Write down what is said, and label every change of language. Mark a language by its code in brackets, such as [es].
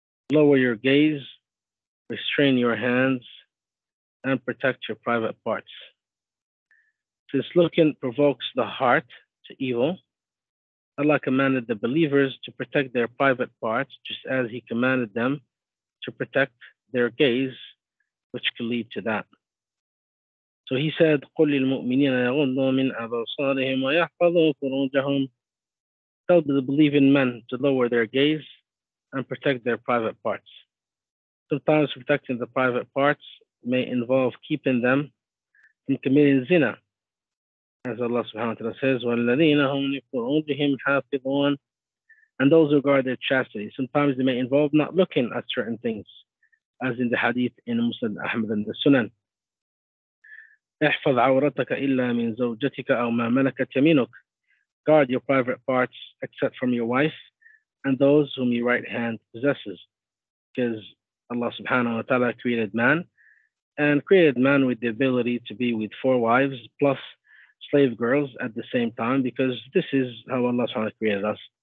[en] Lower your gaze, restrain your hands, and protect your private parts. Since looking provokes the heart to evil, Allah commanded the believers to protect their private parts, just as he commanded them to protect their gaze, which can lead to that. So he said, [ar] قُلْ لِلْمُؤْمِنِينَ يَغُضُّوا مِنْ أَبْصَارِهِمْ وَيَحْفَظُوا فُرُوجَهُمْ. [en] Tell the believing men to lower their gaze and protect their private parts. Sometimes protecting the private parts may involve keeping them from committing zina. As Allah subhanahu wa ta'ala says, [ar] وَالَّذِينَ هُمْ لِفُرُوجِهِمْ حَافِظُونَ. [en] And those who guard their chastity. Sometimes they may involve not looking at certain things, as in the hadith in Muslim Ahmad and the Sunan. [ar] احفظ عورتك إلا من زوجتك أو ما ملكت يمينك. [en] Guard your private parts except from your wife and those whom your right hand possesses. Because Allah subhanahu wa ta'ala created man and created man with the ability to be with four wives plus slave girls at the same time, because this is how Allah subhanahu wa ta'ala created us.